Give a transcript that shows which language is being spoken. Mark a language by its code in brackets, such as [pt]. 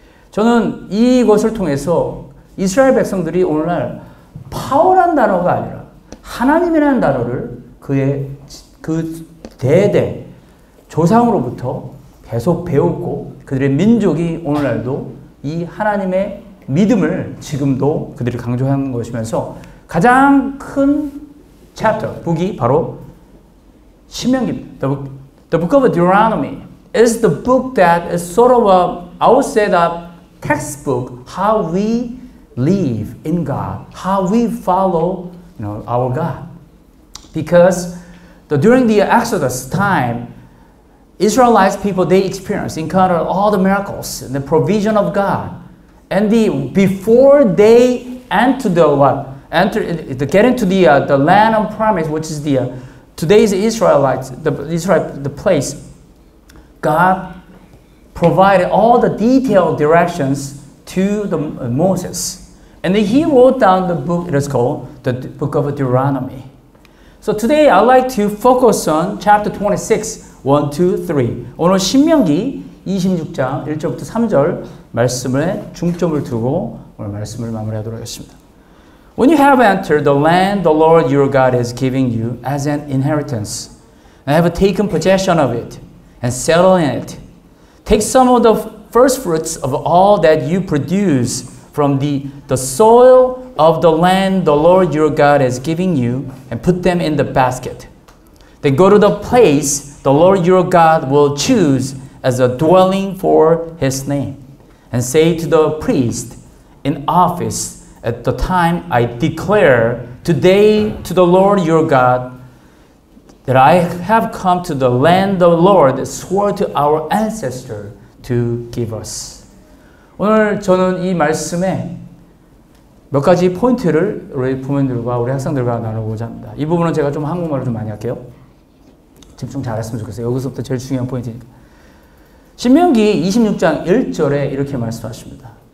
[ko] 저는 이것을 통해서 이스라엘 백성들이 오늘날 파워란 단어가 아니라 하나님이라는 단어를 그 대대 조상으로부터 계속 배웠고 그들의 민족이 오늘날도 이 하나님의 믿음을 지금도 그들이 강조하는 것이면서 가장 큰 챕터, 북이 바로 신명기입니다. [en] The Book of Deuteronomy is the book that is sort of a, I would say a textbook how we live in God, how we follow our God. Because during the Exodus time, Israelite people, they experienced, encountered all the miracles and the provision of God. And before they get into the land of promise, which is today's Israelites, the place, God provided all the detailed directions to the Moses. And then he wrote down the book, it is called the Book of Deuteronomy. So today I'd like to focus on chapter 26, 1, 2, 3. [ko] 오늘 신명기 26장 1절부터 3절 말씀에 중점을 두고 오늘 말씀을 마무리하도록 하겠습니다. [en] When you have entered the land the Lord your God is giving you as an inheritance, and have taken possession of it and settled in it, take some of the first fruits of all that you produce from the soil of the land the Lord your God is giving you and put them in the basket. Then go to the place the Lord your God will choose as a dwelling for his name and say to the priest in office, at the time I declare today to the Lord your God that I have come to the land the Lord swore to our ancestor to give us. [ko] 오늘 저는 이 말씀에 몇 가지 포인트를 우리 부모님들과 우리 학생들과 나누고자 합니다. 이 부분은 제가 좀 한국말을 좀 많이 할게요. 집중 잘했으면 좋겠어요. 여기서부터 제일 중요한 포인트니까. 신명기 26장 1절에 이렇게 말씀하십니다.